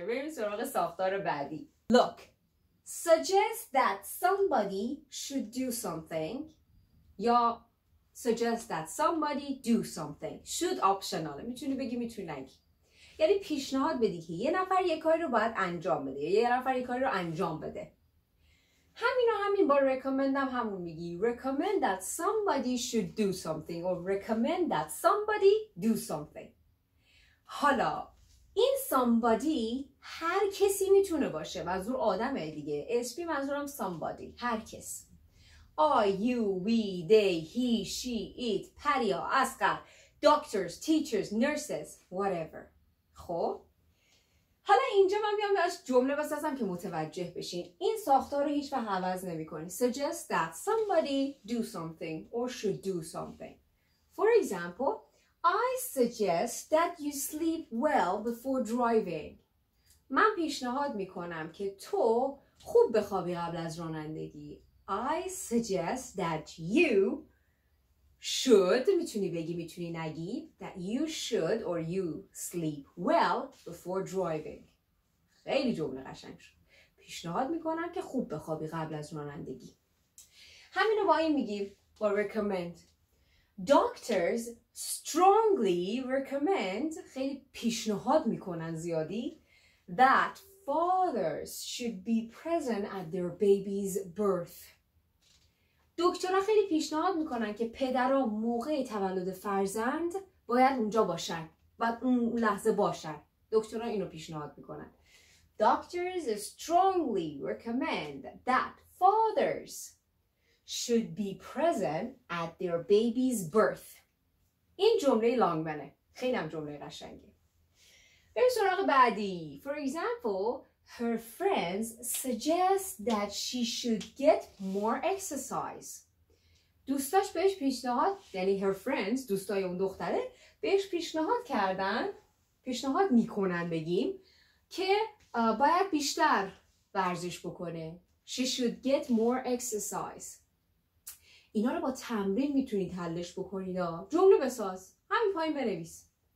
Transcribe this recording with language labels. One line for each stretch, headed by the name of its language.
Persian: بریم سراغ ساختار بعدی.
English: Look, suggest that somebody should do something. یا suggest that somebody do something. Should optional.
Persian: میتونی بگی میتونی نگی. یعنی پیشنهاد بدی که یه نفر یه کاری رو باید انجام بده، یه نفر یه کاری رو انجام بده. همین و همین با recommend هم همون میگی.
English: Recommend that somebody should do something or recommend that somebody do something.
Persian: حالا این somebody هر کسی میتونه باشه، منظور آدمه دیگه. اسمی منظورم somebody، هر کس.
English: I, you, we, they, he, she, it, پریا، اسقر، doctors, teachers, nurses, whatever.
Persian: خب حالا اینجا من میام از جمله بسازم که متوجه بشین این ساختار رو هیچ وقت عوض نمی کنی.
English: Suggest that somebody do something or should do something. For example, I suggest that you sleep well before driving.
Persian: من پیشنهاد میکنم که تو خوب بخوابی قبل از رانندگی.
English: I suggest that you should,
Persian: میتونی بگی میتونی نگی,
English: that you should or you sleep well before driving.
Persian: خیلی جمله قشنگ شد. پیشنهاد میکنم که خوب بخوابی قبل از رانندگی. همینو با این میگی, با recommend.
English: Doctors strongly recommend,
Persian: خیلی پیشنهاد میکنن زیادی,
English: that fathers should be present at their baby's birth.
Persian: دکترها خیلی پیشنهاد میکنن که پدرها موقع تولد فرزند باید اونجا باشن، باید اون لحظه باشن. دکترها اینو پیشنهاد میکنن.
English: Doctors strongly recommend that fathers should be present at their baby's birth.
Persian: این جمله لانگ منه. خیلی هم جمله قشنگه. بریم سراغ بعدی.
English: For example, her friends suggest that she should get more exercise.
Persian: دوستاش بهش پیشنهاد، یعنی
English: her friends،
Persian: دوستای اون دختره، بهش پیشنهاد کردن، پیشنهاد میکنن بگیم که باید بیشتر ورزش بکنه.
English: She should get more exercise.
Persian: اینا رو با تمرین میتونید حلش بکنید. جمله بساز، همین پایین بنویس.